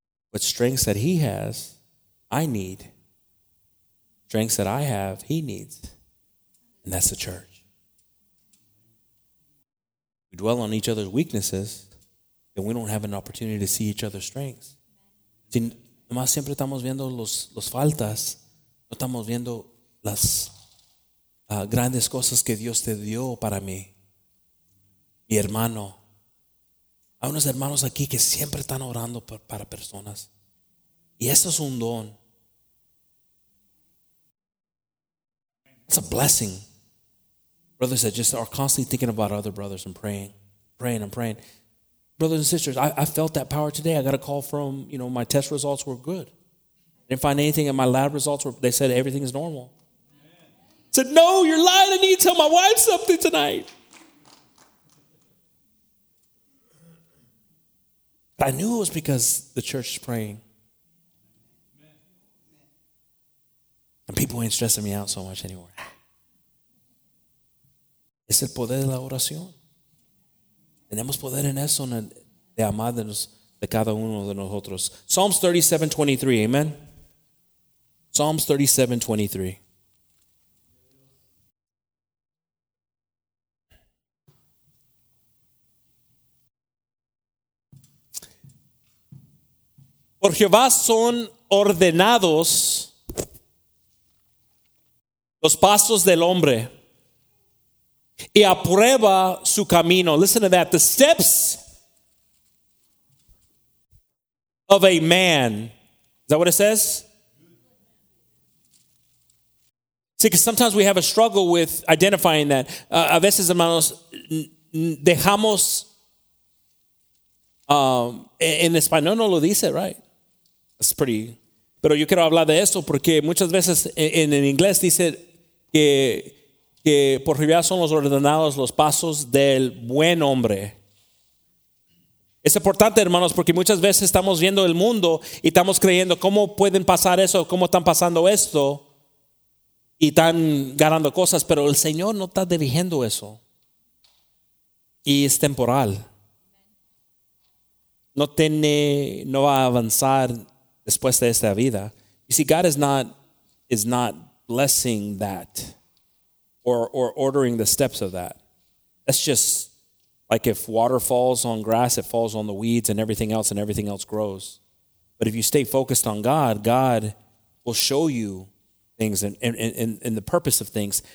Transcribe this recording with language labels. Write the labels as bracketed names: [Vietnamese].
[English] What strengths that he has, I need. Strengths that I have, he needs. And that's the church. We dwell on each other's weaknesses, and we don't have an opportunity to see each other's strengths. [Spanish] Si nomás siempre estamos viendo los faltas, no estamos viendo las grandes cosas que Dios te dio para mí. Mi hermano. Hay unos hermanos aquí que siempre están orando para personas. Y eso es un don. [English] It's a blessing. Brothers that just are constantly thinking about other brothers and praying. Brothers and sisters, I felt that power today. I got a call from, my test results were good. I didn't find anything, and my lab results were, they said everything is normal. I said, no, you're lying. I need to tell my wife something tonight. But I knew it was because the church is praying. And people ain't stressing me out so much anymore. [Spanish] Es el poder de la oración. Tenemos poder en eso, de amarnos de cada uno de nosotros. [English] Psalms 37:23, amen. Psalms 37:23. [Spanish] Por Jehová son ordenados los pasos del hombre. Y aprueba su camino. [English] Listen to that. The steps of a man Is that what it says? See, because sometimes we have a struggle with identifying that. [Spanish] A veces, hermanos, dejamos... en español no lo dice, [English] right? That's pretty... [Spanish] Pero yo quiero hablar de eso porque muchas veces en inglés dice que por realidad son los ordenados los pasos del buen hombre. Es importante, hermanos, porque muchas veces estamos viendo el mundo y estamos creyendo cómo pueden pasar eso, cómo están pasando esto y están ganando cosas, pero el Señor no está dirigiendo eso. Y es temporal. No va a avanzar después de esta vida. [English] You see, God is not blessing that or ordering the steps of that. That's just like if water falls on grass, it falls on the weeds and everything else grows. But if you stay focused on God, God will show you things and the purpose of things.